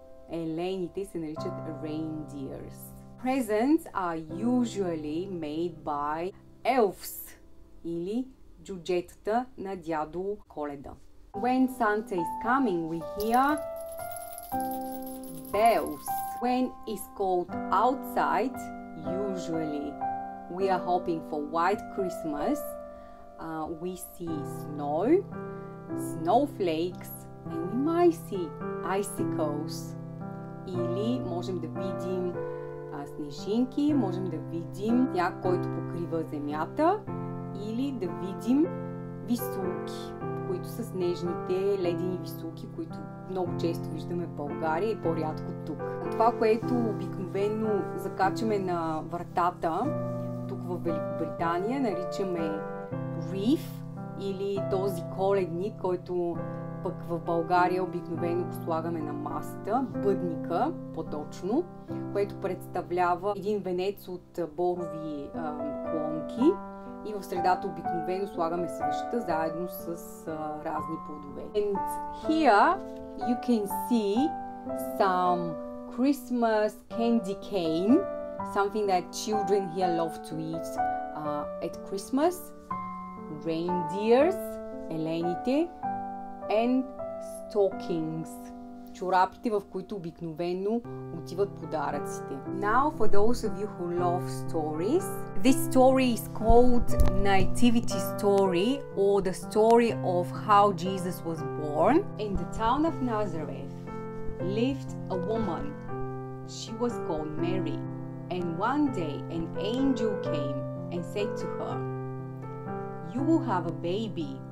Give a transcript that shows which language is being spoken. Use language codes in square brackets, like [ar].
[bg] Елените се наричат [en] reindeers. Presents are usually made by elves [bg] или джуджетата на дядо Коледа. [en] When Santa is coming, we hear Bells. When it's cold outside, usually we are hoping for white Christmas. We see snow, snowflakes, and we might see icicles. [bg] Или можем да видим снежинки, можем да видим сняг, който покрива земята, или да видим висулки, които са снежните ледени висулки, които много често виждаме в България и по-рядко тук. Това, което обикновено закачаме на вратата тук в Великобритания, наричаме риф, или този коледник, който пък в България обикновено слагаме на масата, бъдника по-точно, което представлява един венец от борови клонки, и в средата обикновено слагаме свещата заедно с разни плодове. [en] And here you can see some Christmas candy cane, something that children here love to eat at Christmas. Reindeers, [bg] елените, [en] and stockings, [bg] чорапите, в които обикновено отиват подаръците. [en] Now for those of you who love stories, this story is called Nativity Story, or the story of how Jesus was born. In the town of Nazareth lived a woman. She was called Mary. And one day an angel came and said to her, "You will have a baby.